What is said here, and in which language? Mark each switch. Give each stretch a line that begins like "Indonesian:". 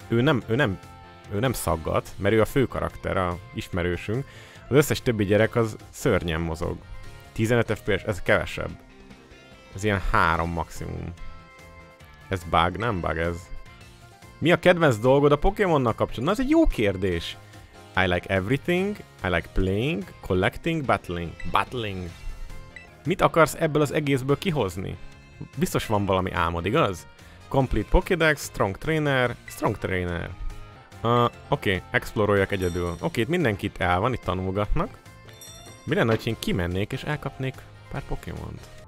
Hungarian: Ő nem szaggat, mert ő a fő karakter, a ismerősünk. Az összes többi gyerek az szörnyen mozog. 15 FPS, ez kevesebb. Ez ilyen 3 maximum. Ez bug, nem bug ez. Mi a kedvenc dolgod a Pokémonnal kapcsolatban? Na, ez egy jó kérdés.
English: I like everything, I like playing, collecting, battling. Battling.
Hungarian: Mit akarsz ebből az egészből kihozni? Biztos van valami álmod, igaz?
English: Complete Pokédex, Strong Trainer, Strong Trainer.
Hungarian: Oké, exploroljak egyedül. Oké, itt mindenkit el van, itt tanulgatnak. Mi lenne, hogy én kimennék és elkapnék pár Pokémont?